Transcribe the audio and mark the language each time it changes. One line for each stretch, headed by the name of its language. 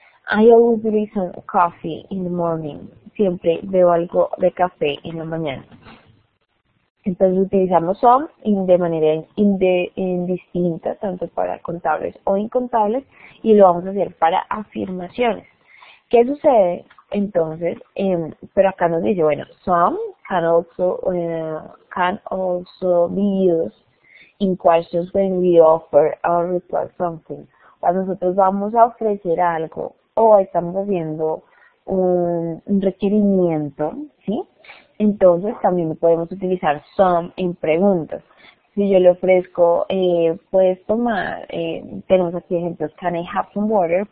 English: I always drink some coffee in the morning.
Spanish: Siempre bebo algo de café en la mañana. Entonces utilizamos some de manera indistinta, tanto para contables o incontables, y lo vamos a hacer para afirmaciones. ¿Qué sucede? Entonces, pero acá nos dice, bueno,
English: some can also be used asking questions when we offer or request something.
Spanish: Cuando nosotros vamos a ofrecer algo o estamos haciendo un requerimiento, ¿sí? Entonces también podemos utilizar some en preguntas. Si yo le ofrezco, puedes tomar, tenemos aquí ejemplos, can I have some water?